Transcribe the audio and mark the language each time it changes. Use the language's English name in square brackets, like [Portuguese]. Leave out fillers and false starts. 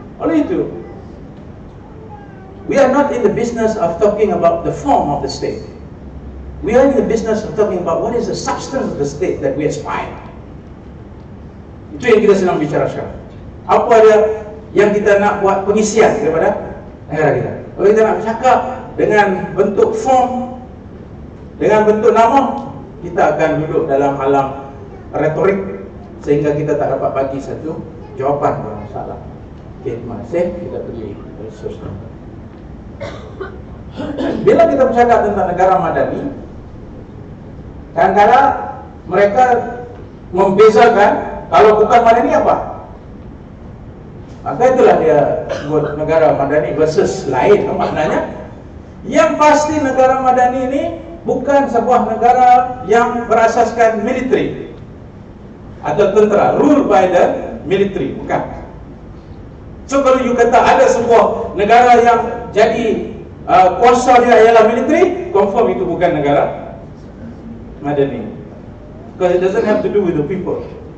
[Malay] Oleh itu, [English] we are not in the business of talking about the form of the state. We are in the business of talking about what is the substance of the state that we aspire. [Malay] Itu yang kita sedang bicara sekarang. Apa dia yang kita nak buat pengisian daripada negara kita. Kalau kita nak bercakap dengan bentuk form, dengan bentuk nama, kita akan duduk dalam alam retorik sehingga kita tak dapat bagi satu jawapan pada masalah. Okay, terima kasih. Kita pergi seterusnya. Bila kita bercakap tentang negara madani, kadang-kadang mereka membezakan kalau bukan madani apa? Maka itulah dia buat negara madani versus lain. Maknanya yang pasti negara madani ini bukan sebuah negara yang berasaskan military atau tentera, [English] ruled by the military, [Malay] bukan. So kalau you kata ada sebuah negara yang jadi kuasa dia ialah military, confirm itu bukan negara madani. [English] Because it doesn't have to do with the people.